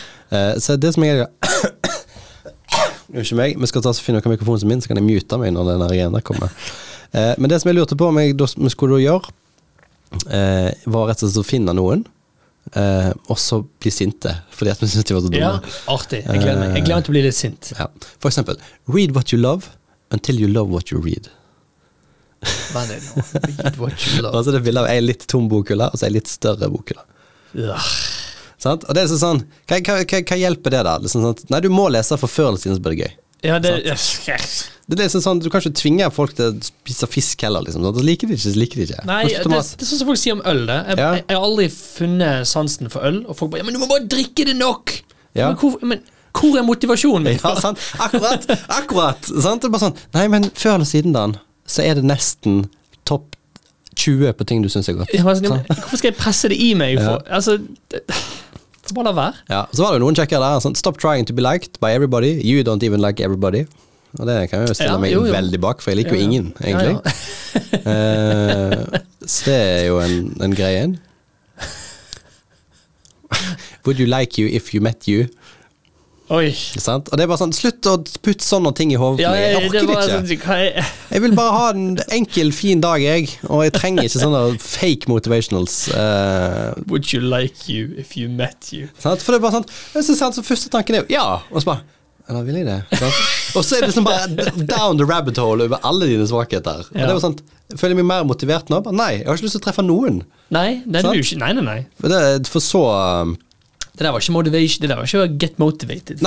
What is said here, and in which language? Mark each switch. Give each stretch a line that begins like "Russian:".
Norwegian: Så det som jeg unnskyld meg, vi skal ta og finne noen mikrofonen som min, så kan jeg mute meg når denne agenda kommer. Men det som jeg lurte på om vi skulle gjøre var rett og slett å finne noen og så bli sinte, fordi at vi synes de var så dumme. Ja, artig, jeg gleder meg. Jeg gleder meg til å bli litt sint. Ja.
English: For eksempel, read what you love until you love what you read.
Norwegian: Hva er det nå?
English: Read what you love.
Norwegian: Altså det bildet av en litt tom bokhylle og så en litt større bokhylle. Ja. sant? Og det er sånn, hva hjelper det da? Liksom, sånn, nei, du må lese for før eller siden så blir det gøy. Ja, det, det er liksom sånn, du kan ikke tvinge folk til å spise fisk heller, liksom. Da liker de ikke, så liker de ikke. Nei, det er sånn som folk sier om øl, det. Jeg har aldri funnet sansen for øl, og folk bare, ja, men du må bare drikke det nok. Ja. Men hvor, hvor er motivasjonen? Ja, sant. Akkurat, akkurat. Sant? Det er bare sånn, nei, men før eller siden da, så er det nesten topp 20 på ting du synes godt. Ja, men, hvorfor skal jeg presse det i meg? For? Ja. Altså, det, så bare la være.
English: Ja, så var det noen kjekker der, sånn, stop trying to be liked by everybody, you don't even like everybody.
Norwegian: Og det kan jeg jo stille meg veldig bak, for jeg liker jo ingen, egentlig. Ja, ja. så det er jo en greie inn.
English: Would you like you if you met you?
Norwegian: Oi. Sant? Og det er bare sånn, slutt å putte sånne ting i hovedet. Ja, jeg orker det ikke. Sånn, jeg vil bare ha en enkel, fin dag, jeg. Og jeg trenger ikke sånne fake motivationals.
English: Would you like you if you met you?
Norwegian: Sant? For det er bare sånn, jeg synes sant, så første tanken er jo, ja. Og så bare, eller vil jeg det? Og så er det liksom bare
English: down the rabbit hole
Norwegian: over alle dine svakheter. Ja. Og det var sånn, jeg føler meg mer motivert nå. Nei, jeg har ikke lyst til å treffe noen. Nei, det er sant? Du ikke. Nei, nei, nei. For, det, for så... Det der var ikke motivation, det der var ikke
English: get motivated.